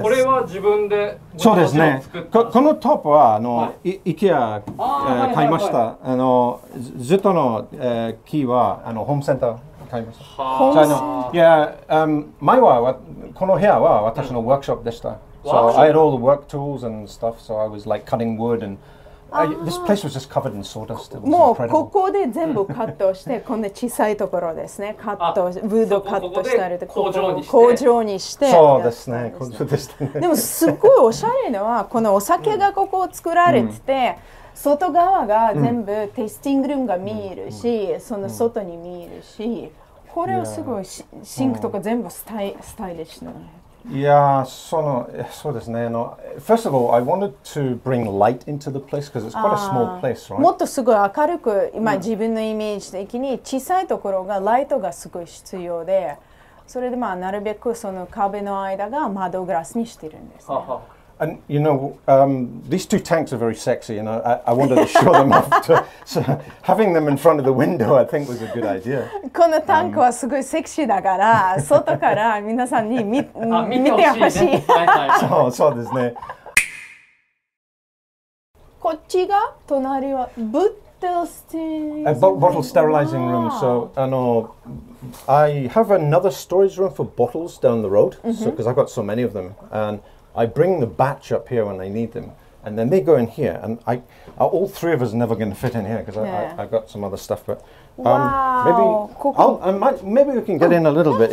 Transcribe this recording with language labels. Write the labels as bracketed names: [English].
[Japanese] これは自分で。そうですね。このトップははい、IKEA、買いました。はいはいはい、ずっとの、キーはホームセンター買いました。ホームセンター。前はこの部屋は私のワークショップでした。 [English] うん、So I had all the work tools and stuff, so I was like cutting wood and this place was just covered in sawdust. It was [Japanese] もうここで全部カットして、こんな小さいところですね。カット、ウッドカットしたりで、ここで工場にして。そうですね、工場でしたね。でもすごいおしゃれのは、このお酒がここを作られてて、外側が全部テイスティングルームが見えるし、その外に見えるし、これはすごいシンクとか全部スタイリッシュなの。そうですね。 [English] First of all, I wanted to bring light into the place because it's quite a small place, right? [Japanese] もっとすごい明るく、今、自分のイメージ的に小さいところがライトがすごい必要で、それでまあなるべくその壁の間が窓ガラスにしてるんです、ね。 [English] And you know, these two tanks are very sexy, and I wanted to show them off. To, so having them in front of the window, I think, was a good idea. [Japanese] このタンクはすごいセクシーだから、外から皆さんに見てほしい。そうですね。こっちが隣はブッテルスティン。 [English] A bottle sterilizing room. So, I have another storage room for bottles down the road, so because I've got so many of them, and I bring the batch up here when I need them, and then they go in here. And all three of us are never going to fit in here because I've got some other stuff. But maybe we can get in a little bit.